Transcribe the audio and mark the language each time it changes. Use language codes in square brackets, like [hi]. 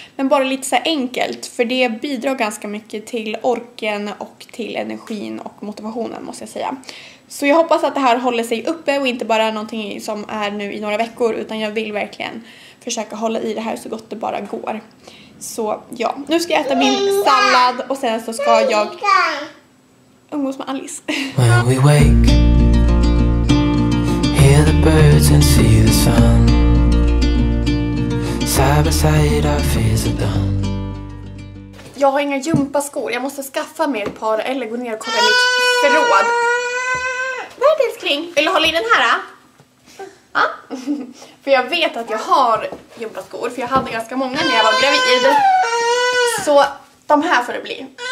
[sv] Men bara lite så här enkelt, för det bidrar ganska mycket till orken och till energin och motivationen måste jag säga. Så jag hoppas att det här håller sig uppe och inte bara är någonting som är nu i några veckor. Utan jag vill verkligen försöka hålla i det här så gott det bara går. Så ja, nu ska jag äta min sallad och sen så ska jag umgås med Alice. [en] When we wake, hear the birds and see the sun. Side by side our fears are done. [sv] Jag har inga gympaskor, jag måste skaffa mig ett par eller gå ner och kolla mitt förråd. Vad är det, älskling? Vill du hålla i den här? För jag vet att jag har gympaskor, för jag hade ganska många när jag var gravid. Så de här får det bli.